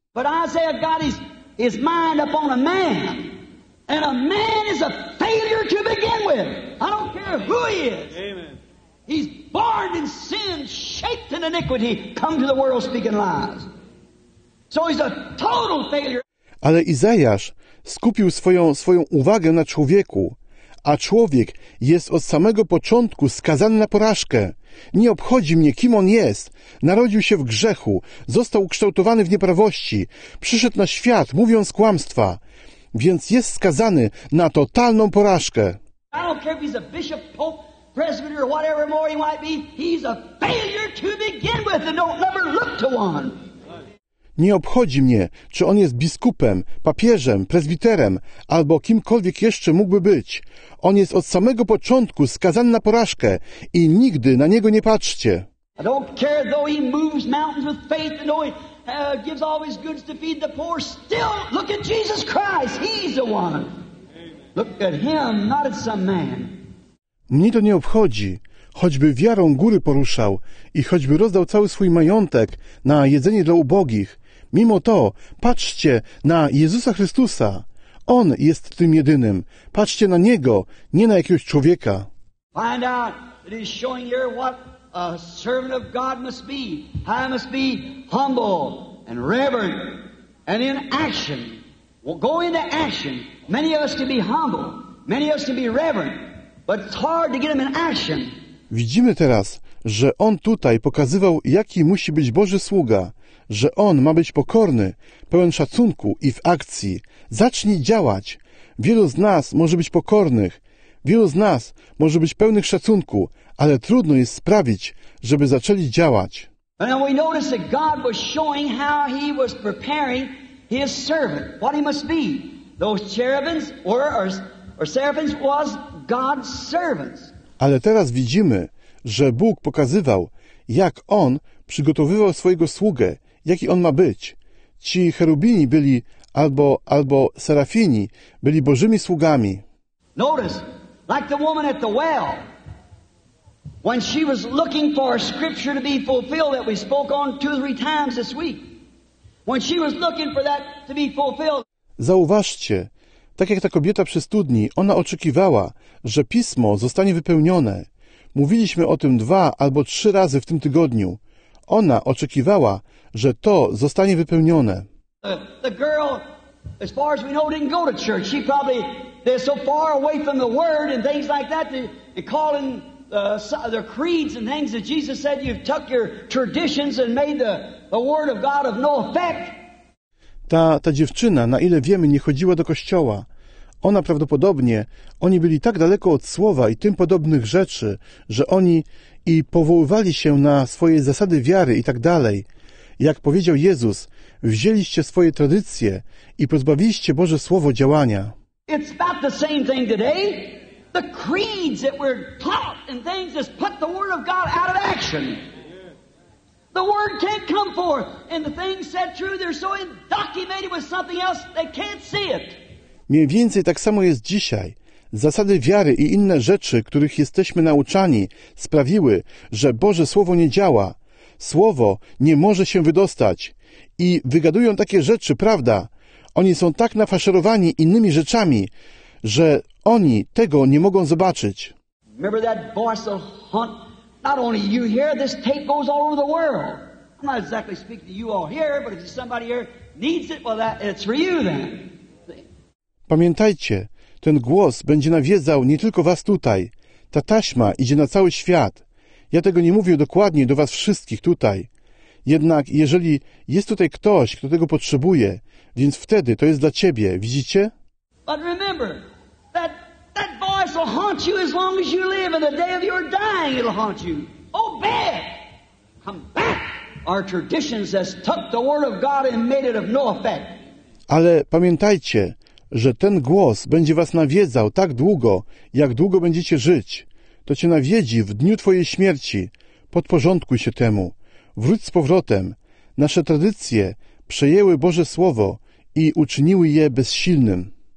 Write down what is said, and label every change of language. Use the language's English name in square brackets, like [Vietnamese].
[English] But Isaiah got his mind up on a man, and a man is a failure to begin with. I don't care who he is. Amen. He's born in sin, shaped in iniquity, come to the world speaking lies. So he's a total failure. [Polish] Ale Izajasz skupił swoją uwagę na człowieku, a człowiek jest od samego początku skazany na porażkę. Nie obchodzi mnie, kim on jest. Narodził się w grzechu, został ukształtowany w nieprawości, przyszedł na świat, mówiąc kłamstwa, więc jest skazany na totalną porażkę. [English] I don't care if he's a bishop, pope, presbyter, or whatever more he might be, he's a failure to begin with and don't never look to one. [Polish] Nie obchodzi mnie, czy on jest biskupem, papieżem, prezbiterem, albo kimkolwiek jeszcze mógłby być. On jest od samego początku skazany na porażkę i nigdy na niego nie patrzcie. [English] I don't care though he moves mountains with faith and though he gives all his goods to feed the poor, still look at Jesus Christ, he's the one. Look at him, not at some man. [Polish] Mnie to nie obchodzi. Choćby wiarą góry poruszał i choćby rozdał cały swój majątek na jedzenie dla ubogich, mimo to patrzcie na Jezusa Chrystusa. On jest tym jedynym. Patrzcie na Niego, nie na jakiegoś człowieka. [English] Find out that he's showing here what a servant of God must be. How I must be humble and reverent and in action. We'll go into action. Many of us can be humble, many of us can be reverent, but it's hard to get them in action. [Polish] Widzimy teraz, że on tutaj pokazywał, jaki musi być Boży sługa, że on ma być pokorny, pełen szacunku i w akcji. Zacznij działać. Wielu z nas może być pokornych, wielu z nas może być pełnych szacunku, ale trudno jest sprawić, żeby zaczęli działać. [English] Now we notice that God was showing how he was preparing his servant, what he must be. Those cherubims were, or seraphims was God's servants. [Polish] Ale teraz widzimy, że Bóg pokazywał, jak On przygotowywał swojego sługę, jaki on ma być. Ci cherubini byli, albo serafini, byli Bożymi sługami. [English] Notice, like the woman at the well, when she was looking for a scripture to be fulfilled that we spoke on two or three times this week. When she was looking for that to be fulfilled. [Polish] Zauważcie, tak jak ta kobieta przy studni, ona oczekiwała, że pismo zostanie wypełnione. Mówiliśmy o tym 2 albo 3 razy w tym tygodniu. Ona oczekiwała, że to zostanie wypełnione. [English] The girl, as far as we know, didn't go to church. She probably, they're so far away from the word and things like that, they call in their creeds and things that Jesus said, you've took your traditions and made the word of God of no effect. [Polish] Ta dziewczyna, na ile wiemy, nie chodziła do kościoła. Ona prawdopodobnie, oni byli tak daleko od słowa i tym podobnych rzeczy, że oni i powoływali się na swoje zasady wiary i tak dalej. Jak powiedział Jezus, wzięliście swoje tradycje i pozbawiliście Boże Słowo działania. [English] It's about the same thing today. The creeds that we're taught and things that put the word of God out of action. The word can't come forth, and the things said true, they're so indoctrinated with something else, they can't see it. [Polish] Mniej więcej tak samo jest dzisiaj. Zasady wiary i inne rzeczy, których jesteśmy nauczani, sprawiły, że Boże Słowo nie działa. Słowo nie może się wydostać. I wygadują takie rzeczy, prawda? Oni są tak nafaszerowani innymi rzeczami, że oni tego nie mogą zobaczyć. [English] Remember that voice of hunt? Not only you here, this tape goes all over the world. I'm not exactly speaking to you all here, but if somebody here needs it, well, it's for you then. [Polish] Pamiętajcie, ten głos będzie nawiedzał nie tylko was tutaj. Ta taśma idzie na cały świat. Ja tego nie mówię dokładnie do was wszystkich tutaj. Jednak jeżeli jest tutaj ktoś, kto tego potrzebuje, więc wtedy to jest dla ciebie, widzicie? [English] But remember, that voice will haunt you as long as you live, and the day of your dying it'll haunt you. Obey it. Come back. our traditions has took the word of God and made it of no effect. [Polish] Ale pamiętajcie, że ten głos będzie was nawiedzał tak długo, jak długo będziecie żyć. To cię nawiedzi w dniu twojej śmierci. Podporządkuj się temu. Wróć z powrotem. Nasze tradycje przejęły Boże Słowo i uczyniły je bezsilnym.